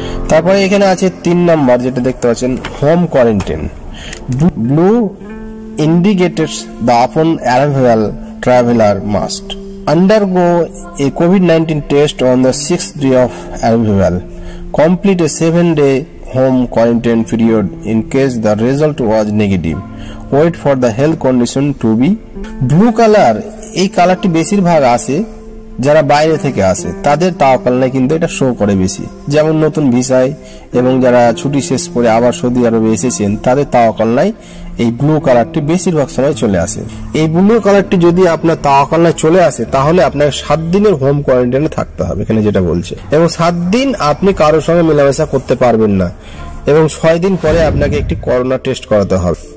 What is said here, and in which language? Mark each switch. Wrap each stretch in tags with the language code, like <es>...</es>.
<bn>তারপরে এখানে আছে তিন নম্বর, যেটা দেখতে পাচ্ছেন হোম কোয়ারেন্টাইন,</bn> <en>Blue indicator the upon arrival traveller must undergo a COVID-19 test on the sixth day of arrival. Complete a seven-day home quarantine period in case the result was negative. Wait for the health condition to be.</en> <bn>Blue color, এই কালারটি বেশিরভাগ আসে যারা বাইরে থেকে আসে তাদের তাওয়াক্কালনায় কিন্তু এটা শো করে বেশি, যেমন নতুন ভিসায় এবং যারা ছুটি শেষ করে আবার সৌদি আরবে এসেছেন তাদের তাওয়াক্কালনায় এই ব্লু কালারটি বেশিরভাগ সময় চলে আসে। এই ব্লু কালারটি যদি আপনার তাওয়াক্কালনায় চলে আসে তাহলে আপনাকে সাত দিনের হোম কোয়ারেন্টাইনে থাকতে হবে এখানে যেটা বলছে, এবং সাত দিন আপনি কারোর সঙ্গে মেলামেশা করতে পারবেন না এবং ছয় দিন পরে আপনাকে একটি করোনা টেস্ট করাতে হবে।</bn>